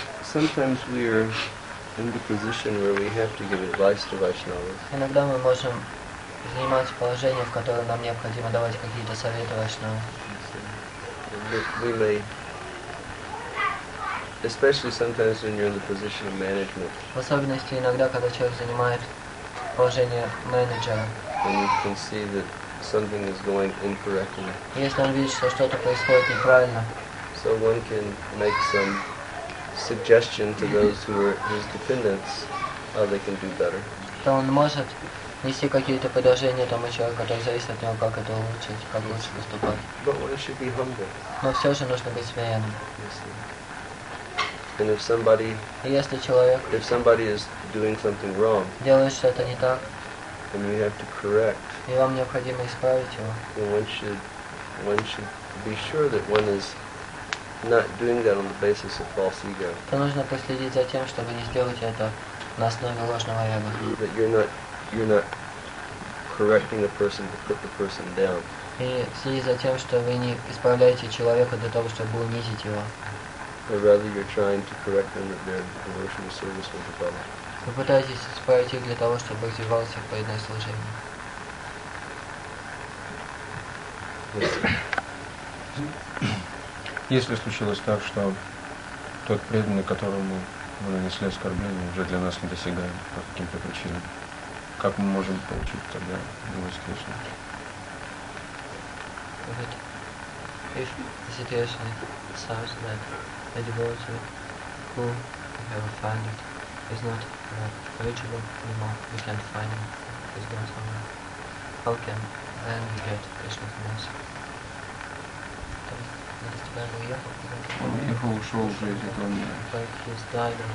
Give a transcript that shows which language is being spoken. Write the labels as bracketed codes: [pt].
[en] Sometimes we are in the position where we have to give advice to Vaishnavas. [ru] Иногда мы можем занимать положение, в котором нам необходимо давать какие-то советы Вайшнавам. [en] We may, especially sometimes when you're in the position of management. [ru] В особенности иногда, когда человек занимает положение менеджера. [en] And you can see that something is going incorrectly. [ru] Если он видит, что что-то происходит неправильно. [en] So one can make some suggestion to those who are his dependents how they can do better. [ru] То он может нести какие-то предложения тому человеку, который зависит от него, как это улучшить, как лучше поступать. [en] But one should be humble. [ru] Но все же нужно быть смиренным. [en] And if somebody, [ru] если человек, [en] if somebody is doing something wrong, [ru] делает что-то не так, [en] then you have to correct. [ru] И вам необходимо исправить его. [en] One should be sure that one is not doing that on the basis of false ego. [ru] То нужно последить за тем, чтобы не сделать это на основе ложного эго. [en] That you're not correcting a person to put the person down. [ru] И следить за тем, что вы не исправляете человека для того, чтобы унизить его. [en] Or rather, you're trying to correct them that their devotional service will develop. [ru] Вы пытаетесь исправить их для того, чтобы развивался их преданное служение. Если случилось так, что тот преданный, которому мы нанесли оскорбление, уже для нас недосягаем по каким-то причинам, как мы можем получить тогда его искренность? [en] If the situation is such that a devotee who we have offended is not reachable anymore, we can't find him, he's gone somewhere, how can then we get Krishna's mercy? [ru] Он ушел уже из этого мира.